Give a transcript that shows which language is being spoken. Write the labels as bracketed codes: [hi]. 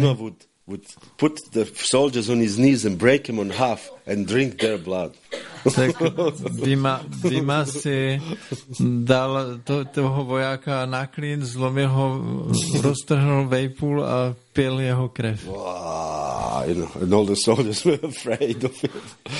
[en] Bhima would put the soldiers on his knees and break him on half and drink their blood. [cs] Tak Bhima si dal toho vojáka na klín, zlomil ho, roztrhnul vejpůl a pil jeho krev. [en] Wow, you know, and all the soldiers were afraid of it.